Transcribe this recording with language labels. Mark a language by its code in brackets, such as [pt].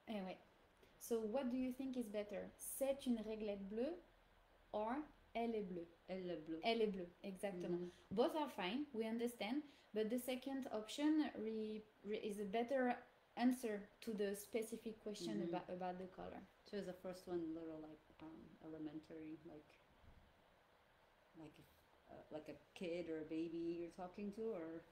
[en] Anyway, so what do you think is better? [fr] C'est une réglette bleue, or elle est bleue? Elle est bleue. Elle est bleue. Exactement. Mm-hmm. [en] Both are fine. We understand, but the second option is a better answer to the specific question mm-hmm. about the color. So is the first one a little like elementary, like? Like a kid or a baby you're talking to, or